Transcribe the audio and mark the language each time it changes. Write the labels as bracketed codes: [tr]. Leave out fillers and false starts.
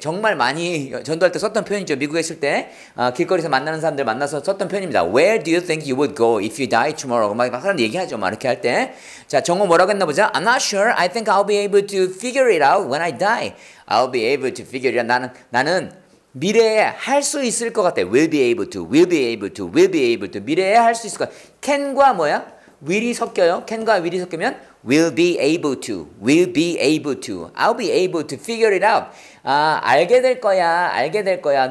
[ko] 정말 많이 전도할 때 썼던 표현이죠. 미국에 있을 때 길거리에서 만나는 사람들 만나서 썼던 표현입니다. [en] Where do you think you would go if you die tomorrow? [ko] 막 사람들 얘기하죠. 막 이렇게 할 때. 자, 정어 뭐라고 했나 보자. [en] I'm not sure. I think I'll be able to figure it out when I die. I'll be able to figure it out. [ko] 나는 미래에 할 수 있을 것 같아. [en] Will be able to. [ko] 미래에 할 수 있을 것 같아. Can과 뭐야? Will이 섞여요. Can과 will이 섞이면 will be able to. [en] I'll be able to figure it out. [ko] 아, 알게 될 거야.